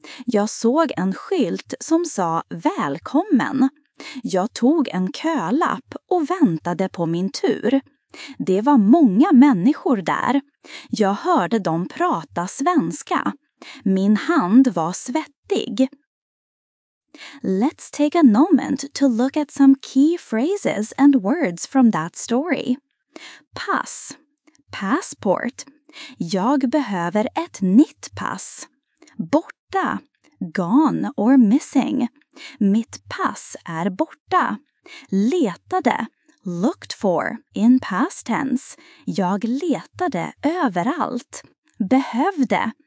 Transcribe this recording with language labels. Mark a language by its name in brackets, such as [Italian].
[Swedish] Jag såg en skylt som sa välkommen. Jag tog en kölapp och väntade på min tur. Det var många människor där. Jag hörde dem prata svenska. Min hand var svettig. [English] Let's take a moment to look at some key phrases and words from that story. Pass. Passport. [Swedish] Jag behöver ett nytt pass. Borta. [English] Gone or missing. [Swedish] Mitt pass är borta. Letade. [English] Looked for. In past tense. [Swedish] Jag letade överallt. Behövde.